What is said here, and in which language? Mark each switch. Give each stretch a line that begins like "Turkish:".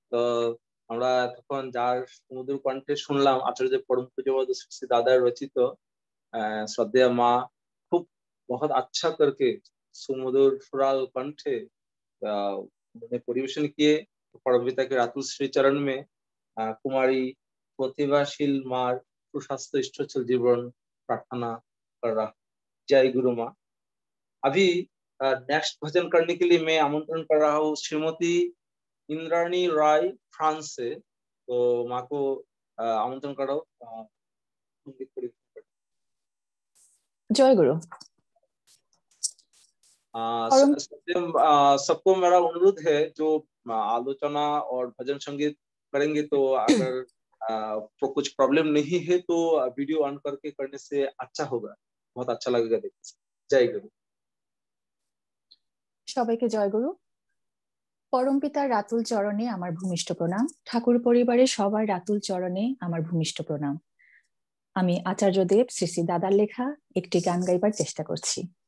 Bangla: তো আমরা এতক্ষণ যার সুমধুর কণ্ঠে শুনলাম আচার্য পরম পূজ্যপাদ শ্রী দাদার রচিত শ্রদ্ধেয় মা, খুব
Hindi: বহুত আচ্ছা করকে
Bangla: সুমধুর সুরাল কণ্ঠে পরিবেশন
Hindi: কিয়ে
Bangla: পরম পিতাকে রাতুল শ্রী চরণ
Hindi: মে
Bangla: কুমারী প্রতিভাশীল মার সুস্বাস্থ্য ইষ্টচল জীবন প্রার্থনা
Hindi: কর রা।
Bangla: জয় গুরু মা।
Hindi: अभी नेक्स्ट भजन करने के लिए मैं आमंत्रण कर रहा हूँ श्रीमती इंद्राणी राय फ्रांस से। तो माँ को आमंत्रण कर रहा हूँ। जय गुरु। सबको मेरा अनुरोध है जो आलोचना और भजन संगीत करेंगे तो अगर कुछ प्रॉब्लम नहीं है तो वीडियो ऑन करके करने से अच्छा होगा, बहुत अच्छा लगेगा देखने से। जय गुरु।
Bangla: সবাইকে জয় গুরু। পরমপিতা রাতুল চরণে আমার ভূমিষ্ঠ প্রণাম, ঠাকুর পরিবারের সবার রাতুল চরণে আমার ভূমিষ্ঠ প্রণাম। আমি আচার্য দেব শ্রী শ্রী দাদার লেখা একটি গান গাইবার চেষ্টা করছি।